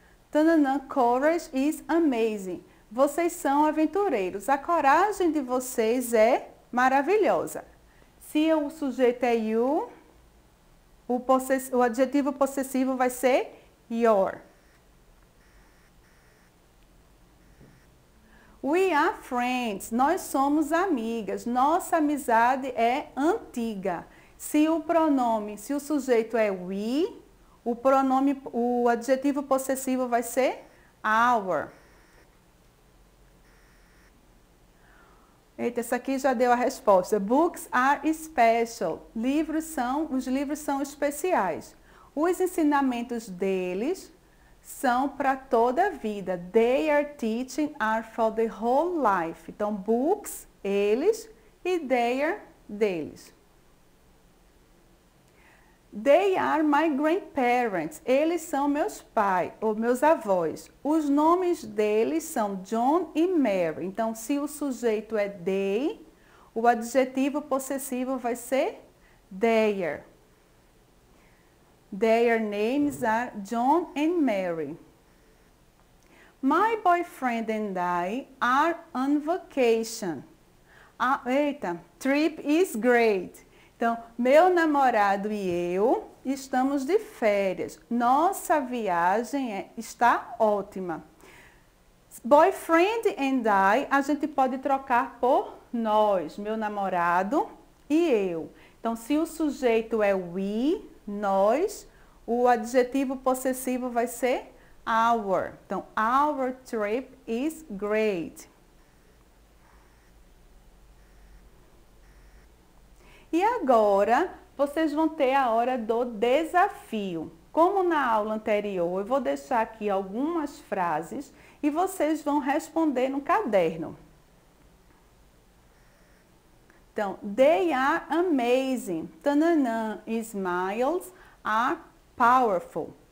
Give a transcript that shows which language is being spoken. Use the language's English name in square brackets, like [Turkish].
[English] Tananã, courage is amazing. [Portuguese] Vocês são aventureiros. A coragem de vocês é maravilhosa. Se o sujeito é you, o adjetivo possessivo vai ser your. [English] We are friends. [Portuguese] Nós somos amigas. Nossa amizade é antiga. Se o sujeito é we, o adjetivo possessivo vai ser our. Eita, essa aqui já deu a resposta. [English] Books are special. [Portuguese] Os livros são especiais. Os ensinamentos deles são para toda a vida. [English] Their teaching are for the whole life. [Portuguese] Então, books, eles, e their, deles. [English] They are my grandparents. [Portuguese] Eles são meus pais ou meus avós. Os nomes deles são John e Mary. Então, se o sujeito é they, o adjetivo possessivo vai ser their. [English] Their names are John and Mary. My boyfriend and I are on vacation. Ah, eita, trip is great. [Portuguese] Então, meu namorado e eu estamos de férias. Nossa viagem está ótima. [English] Boyfriend and I, [Portuguese] a gente pode trocar por nós, meu namorado e eu. Então, se o sujeito é we, nós, o adjetivo possessivo vai ser our. [English] Então, our trip is great. [Portuguese] E agora vocês vão ter a hora do desafio. Como na aula anterior, eu vou deixar aqui algumas frases e vocês vão responder no caderno. [English] Então, they are amazing. Tananã, smiles are powerful.